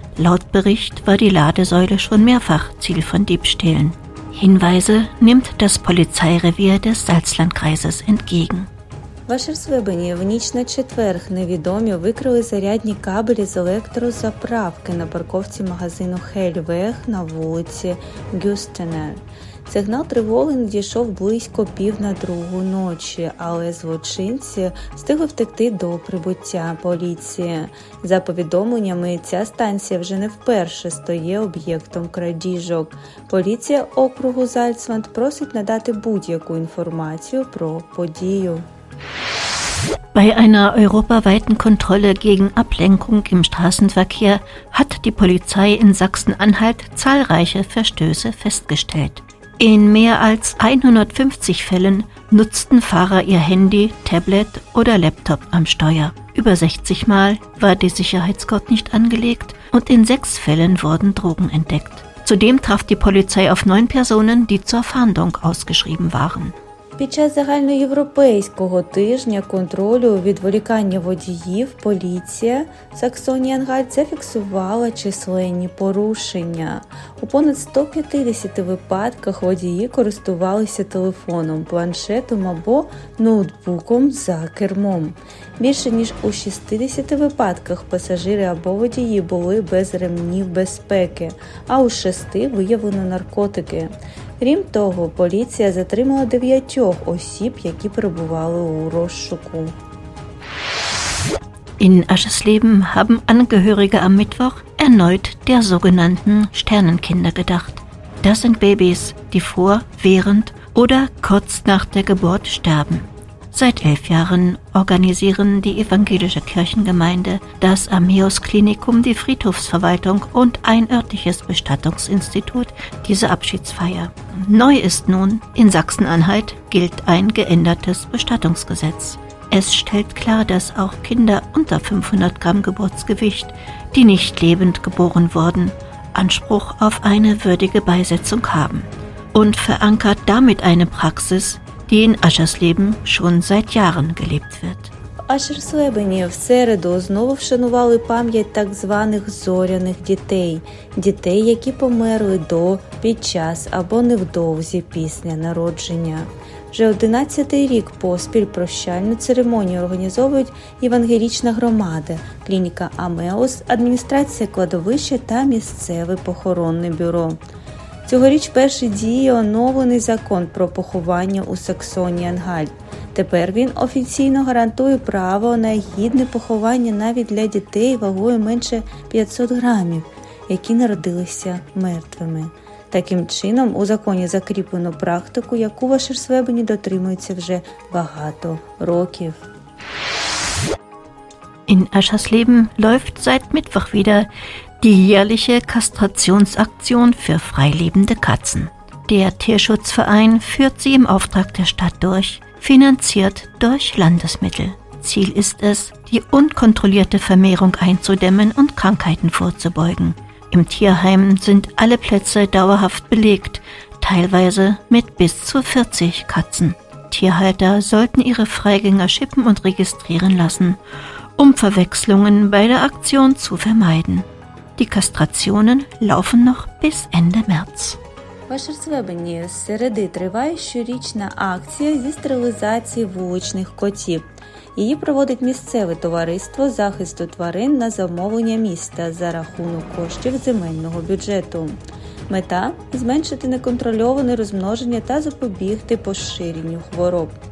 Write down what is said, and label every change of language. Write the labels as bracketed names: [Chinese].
[German] Laut Bericht war die Ladesäule schon mehrfach Ziel von Diebstählen. Hinweise nimmt das Polizeirevier des Salzlandkreises entgegen. [Ukrainian] В Ашерслібені в ніч на четверг невідомі викрали зарядні кабелі з електрозаправки на парковці магазину «Хельвег» на вулиці Гюстенер. Сигнал тривоги надійшов близько пів на другу ночі, але злочинці встигли втекти до прибуття поліції. За повідомленнями, ця станція вже не вперше стає об'єктом крадіжок. Поліція округу Зальцланд просить надати будь-яку інформацію про подію. [German] Bei einer europaweiten Kontrolle gegen Ablenkung im Straßenverkehr hat die Polizei in Sachsen-Anhalt zahlreiche Verstöße festgestellt. In mehr als 150 Fällen nutzten Fahrer ihr Handy, Tablet oder Laptop am Steuer. Über 60 Mal war die Sicherheitsgurt nicht angelegt und in 6 Fällen wurden Drogen entdeckt. Zudem traf die Polizei auf 9 Personen, die zur Fahndung ausgeschrieben waren. [Ukrainian] Під час загальноєвропейського тижня контролю відволікання водіїв поліція Саксонія-Анхальт зафіксувала численні порушення. У понад 150 випадках водії користувалися телефоном, планшетом або ноутбуком за кермом. Більше ніж у 60 випадках пасажири або водії були без ремнів безпеки, а у 6 виявлено наркотики. Крім того, поліція затримала 9 осіб, які перебували у розшуку. [German] In Aschersleben haben Angehörige am Mittwoch erneut der sogenannten Sternenkinder gedacht. Das sind Babys, die vor, während oder kurz nach der Geburt sterben. Seit 11 Jahren organisieren die evangelische Kirchengemeinde, das Amios Klinikum, die Friedhofsverwaltung und ein örtliches Bestattungsinstitut diese Abschiedsfeier. Neu ist nun, in Sachsen-Anhalt gilt ein geändertes Bestattungsgesetz. Es stellt klar, dass auch Kinder unter 500 Gramm Geburtsgewicht, die nicht lebend geboren wurden, Anspruch auf eine würdige Beisetzung haben und verankert damit eine Praxis, die in Aschers Leben schon seit Jahren gelebt wird. [Ukrainian] Ашер Слебені в середу знову вшанували пам'ять так званих зоряних дітей, дітей, які померли до, під час або невдовзі після народження. Вже 11-й рік поспіль прощальну церемонію організовують євангелічна громада, клініка Амеос, адміністрація кладовища та місцеве похоронне бюро. Цьогоріч вперше діє оновлений закон про поховання у Саксонії-Анхальт. Тепер він офіційно гарантує право на гідне поховання навіть для дітей вагою менше 500 грамів, які народилися мертвими. Таким чином у законі закріплено практику, яку в Ашерсвебені дотримується вже багато років. [German] In Aschers Leben läuft seit Mittwoch wieder die jährliche Kastrationsaktion für freilebende Katzen. Der Tierschutzverein führt sie im Auftrag der Stadt durch, finanziert durch Landesmittel. Ziel ist es, die unkontrollierte Vermehrung einzudämmen und Krankheiten vorzubeugen. Im Tierheim sind alle Plätze dauerhaft belegt, teilweise mit bis zu 40 Katzen. Tierhalter sollten ihre Freigänger chippen und registrieren lassen, um Verwechslungen bei der Aktion zu vermeiden. Die Kastrationen laufen noch bis Ende März. [Ukrainian] В Ашерсвебені з середи триває щорічна акція зі стерилізації вуличних котів. Її проводить місцеве товариство захисту тварин на замовлення міста за рахунок коштів земельного бюджету. Мета – зменшити неконтрольоване розмноження та запобігти поширенню хвороб.